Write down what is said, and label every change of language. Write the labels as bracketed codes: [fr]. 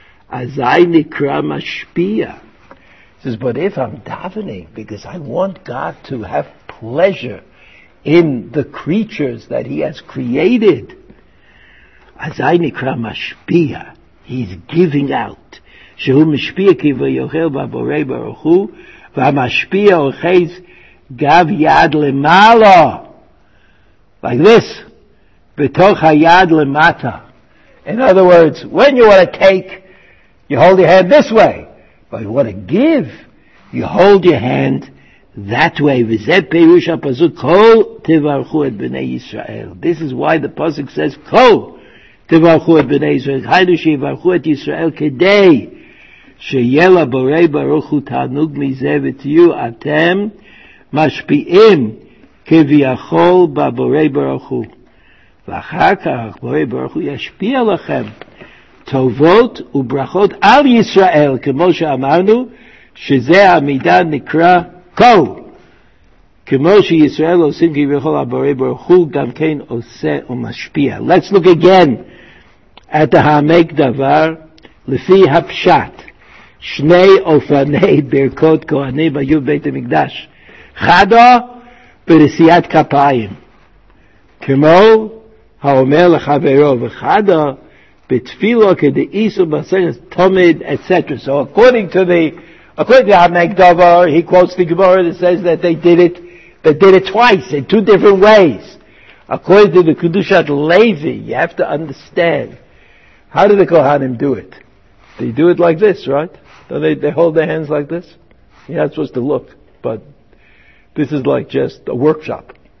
[he] Azay nikra mashpia. [en] He says, but if I'm davening because I want God to have pleasure in the creatures that he has created, [he] azay nikra mashpia, [en] he's giving out. [he] שהוא משפיע כביכול בבורא ברוך הוא, והמשפיע אוחז גב יד למעלה. [en] Like this. [he] בתוך היד למטה. [en] In other words, when you want to take, you hold your hand this way. But you want to give, you hold your hand that way. [he] וזה פירוש הפסוק, כל תברכו את בני ישראל. [en] This is why the pasuk says, [he] כל תברכו את בני ישראל. היינו שיברכו את ישראל כדי שיהיה לבורא ברוך הוא תענוג מזה ותהיו אתם משפיעים כביכול בבורא ברוך הוא. ואחר כך בורא ברוך הוא ישפיע לכם טובות וברכות על ישראל, כמו שאמרנו, שזה המידה נקרא כל. כמו שישראל עושים כביכול לבורא ברוך הוא, גם כן עושה ומשפיע. [en] Let's look again at the [he] העמק דבר לפי הפשט. שני אופני ברכות כהנים היו בית המקדש. חדו בנשיאת כפיים. כמו האומר לחברו, וחדו בתפילו כדי איסו בסכס תומד, etc. [en] So according to HaMekdavar, he quotes the Gemara that says that they did it twice, in two different ways. According to the Kedushat Levi, you have to understand, how did the Kohanim do it? They do it like this, right? So they hold their hands like this. You're not supposed to look, but this is like just a workshop.